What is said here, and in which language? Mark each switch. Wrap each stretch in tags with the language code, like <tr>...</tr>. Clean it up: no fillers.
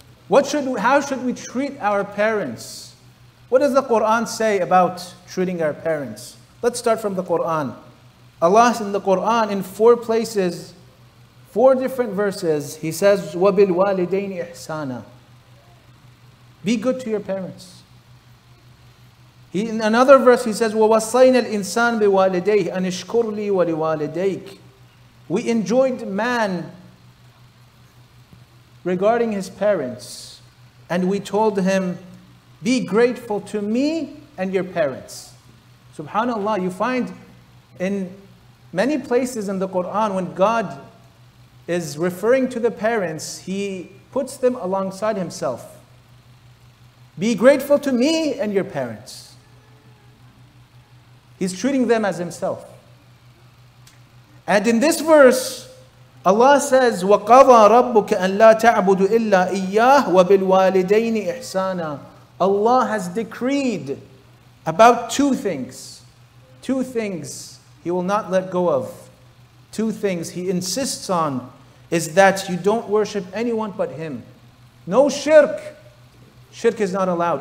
<en>How should we treat our parents? What does the Quran say about treating our parents? Let's start from the Quran. Allah in the Quran, in four places, four different verses, He says,</en> <ar>وَبِالْوَالِدَيْنِ إِحْسَانًا.</ar> <en>Be good to your parents. In another verse, He says,</en> <ar>وَوَصَّيْنَا الْإِنسَانَ بِوَالِدَيْهِ أَنِ اشْكُرْ لِي وَلِوَالِدَيْكِ.</ar> <en>We enjoined man regarding his parents, and we told him, be grateful to me and your parents. SubhanAllah, you find in many places in the Quran, when God is referring to the parents, He puts them alongside Himself. Be grateful to me and your parents. He's treating them as Himself. And in this verse, Allah says,</en> <ar>وَقَضَى رَبُّكَ أَن لَا تَعْبُدُ إِلَّا إِيَّاهُ وَبِالْوَالِدَيْنِ إِحْسَانًا.</ar> <en>Allah has decreed about two things. Two things He will not let go of. Two things He insists on is that you don't worship anyone but Him. No shirk. Shirk is not allowed.</en>